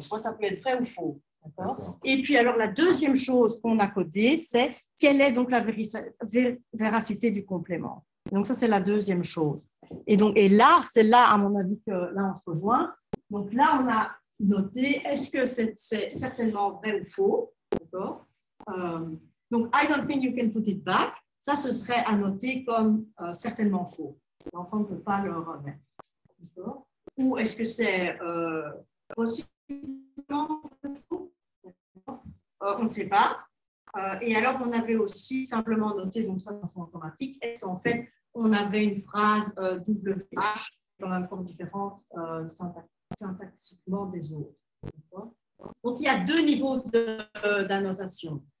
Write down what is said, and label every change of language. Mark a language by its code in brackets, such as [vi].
[fr] Soit ça peut être vrai ou faux. D'accord. Et puis, alors, la deuxième chose qu'on a codée, c'est quelle est donc la véracité du complément. Donc, ça, c'est la deuxième chose. Et donc, et là, c'est là, à mon avis, que là, on se rejoint. Donc là, on a noté est-ce que c'est certainement vrai ou faux. D'accord. [en] Donc, I don't think you can put it back. [fr] Ça, ce serait à noter comme certainement faux. L'enfant ne peut pas le remettre. D'accord. Ou est-ce que c'est possiblement faux? On ne sait pas. Et alors, on avait aussi simplement noté, donc ça, de façon automatique, est-ce qu'en fait, on avait une phrase WH dans une forme différente syntaxiquement des autres. D'accord. Donc, il y a deux niveaux d'annotation.